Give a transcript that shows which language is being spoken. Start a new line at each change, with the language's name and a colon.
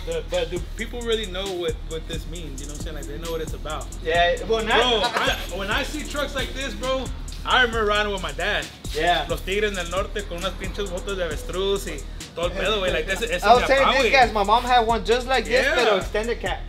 English: But do people really know what this means? You know what I'm saying? Like, they know what it's about. Yeah, well, now. Bro, when I see trucks like this, bro, I remember riding with my dad. Yeah.
Spanish: Los Tigres del Norte con unas pinches botas de avestruz y todo el pedo, güey.
English: Like, I was saying this, guys. My mom had one just like this, pero extended cap.